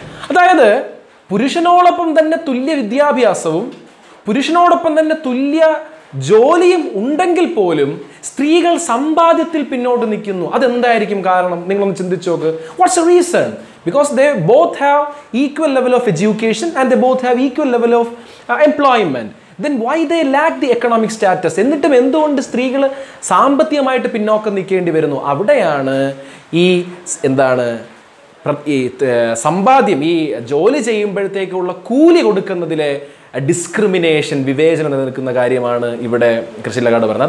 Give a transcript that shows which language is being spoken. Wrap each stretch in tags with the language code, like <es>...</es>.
<ml>അതായത് പുരുഷനോടൊപ്പം തന്നെ തുല്യ വിദ്യാഭ്യാസവും പുരുഷനോടൊപ്പം തന്നെ തുല്യ ജോലിയും ഉണ്ടെങ്കിൽ പോലും സ്ത്രീകൾ സമ്പാദ്യത്തിൽ പിന്നോട്ട് നിൽക്കുന്നു. അതെന്തായിരിക്കും കാരണം? നിങ്ങളൊന്ന് ചിന്തിച്ചു നോക്ക്.</ml> <en>What's the reason? Because they both have equal level of education and they both have equal level of employment. Then why they lack the economic status?</en> <ml>എന്നിട്ടും എന്തുകൊണ്ട് സ്ത്രീകൾ സാമ്പത്തികമായിട്ട് പിന്നോക്കം നിൽക്കേണ്ടി വരുന്നു? അവിടെയാണ് ഈ എന്താണ് ഈ സമ്പാദ്യം, ഈ ജോലി ചെയ്യുമ്പോഴത്തേക്കുള്ള കൂലി കൊടുക്കുന്നതിലെ ഡിസ്ക്രിമിനേഷൻ, വിവേചനം നിലനിൽക്കുന്ന കാര്യമാണ് ഇവിടെ കൃഷിലകാട് പറഞ്ഞത്.</ml>